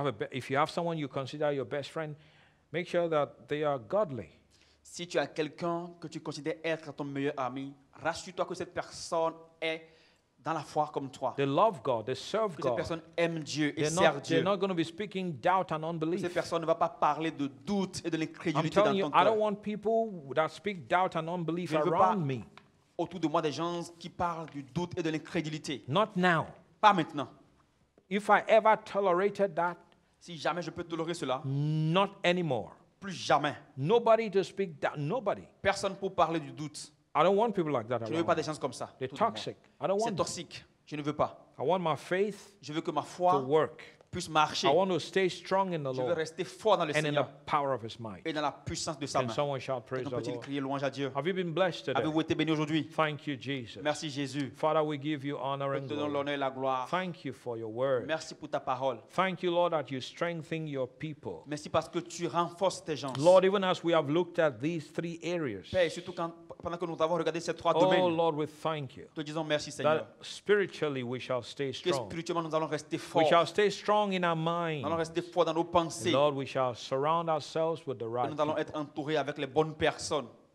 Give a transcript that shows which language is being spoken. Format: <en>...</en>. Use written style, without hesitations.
<en>If you have someone you consider your best friend, make sure that they are godly.</en> <fr>Si tu as quelqu'un que tu considères être ton meilleur ami, rassure-toi que cette personne est dans la foi comme toi.</fr> <en>They love God, they serve God.</en> <fr>Que cette personne aime Dieu et sert Dieu.</fr> <en>They're not going to be speaking doubt and unbelief.</en> <fr>Que cette personne ne va pas parler de doute et de l'incrédulité dans ton cœur.</fr> <en>I'm telling you, I don't want people that speak doubt and unbelief around me.</en> <fr>Autour de moi des gens qui parlent du doute et de l'incrédulité.</fr> <en>Not now.</en> <fr>Pas maintenant.</fr> <en>If I ever tolerated that,</en> <fr>si jamais je peux tolérer cela,</fr> <en>not anymore.</en> <fr>Plus jamais.</fr> <en>Nobody to speak that. Nobody.</en> <fr>Personne pour parler du doute.</fr> <en>I don't want people like that.</en> <fr>Je ne veux pas des gens comme ça.</fr> <en>They're toxic. I don't want.</en> <fr>C'est toxique. Je ne veux pas.</fr> <en>I want my faith.</en> <fr>Je veux que ma foi</fr> <en>to work.</en> <fr>Puisse marcher.</fr> <en>I want to stay strong in the Lord.</en> <fr>Je veux rester fort dans le Seigneur.</fr> <en>And in the power of His might.</en> <fr>Et dans la puissance de sa main.</fr> <en>Can someone shout praise the Lord?</en> <fr>Peut-il crier louange à Dieu?</fr> <en>Have you been blessed today?</en> <fr>Avez-vous été béni aujourd'hui?</fr> <en>Thank you, Jesus.</en> <fr>Merci, Jésus.</fr> <en>Father, we give you honor and glory.</en> <fr>Te donnons l'honneur et la gloire.</fr> <en>Thank you for your word.</en> <fr>Merci pour ta parole.</fr> <en>Thank you, Lord, that you strengthen your people.</en> <fr>Merci parce que tu renforces tes gens.</fr> <en>Lord, even as we have looked at these three areas.</en> <fr>Père, surtout pendant que nous avons regardé ces trois domaines.</fr> <en>Oh Lord, we thank you.</en> <fr>Te disons merci, Seigneur.</fr> <en>That spiritually we shall stay strong.</en> <fr>Que spirituellement nous allons rester forts.</fr> <en>We shall stay strong. Strong in our mind.</en> <fr>Allons rester fort dans nos pensées.</fr> <en>Lord, we shall surround ourselves with the right.</en> <fr>Nous allons être entourés avec les bonnes personnes.</fr>